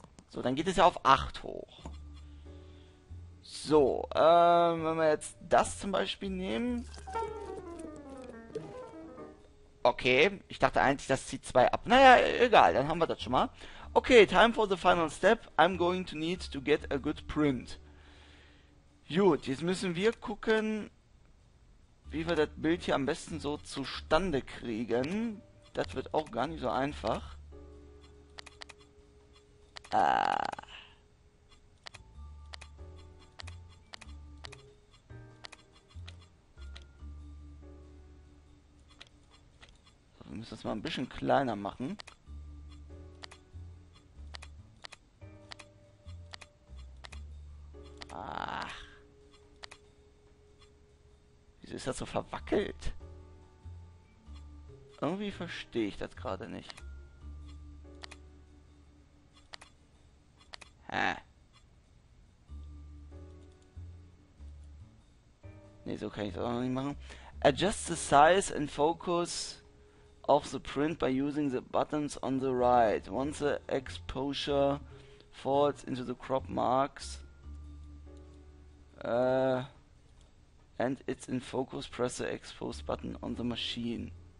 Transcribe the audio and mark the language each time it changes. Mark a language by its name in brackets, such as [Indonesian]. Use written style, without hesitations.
[German] So, dann geht es ja auf 8 hoch. So, wenn wir jetzt das zum Beispiel nehmen. Okay, ich dachte eigentlich, das zieht 2 ab. Naja, egal, dann haben wir das schon mal. [English] Okay, time for the final step. I'm going to need to get a good print. [German] Gut, jetzt müssen wir gucken, wie wir das Bild hier am besten so zustande kriegen. Das wird auch gar nicht so einfach. Wir müssen das mal ein bisschen kleiner machen. Wieso ist das so verwackelt? Irgendwie verstehe ich das gerade nicht. Ne, so kann ich das auch noch nicht machen. [English] Adjust the size and focus of the print by using the buttons on the right. Once the exposure falls into the crop marks and it's in focus, press the expose button on the machine.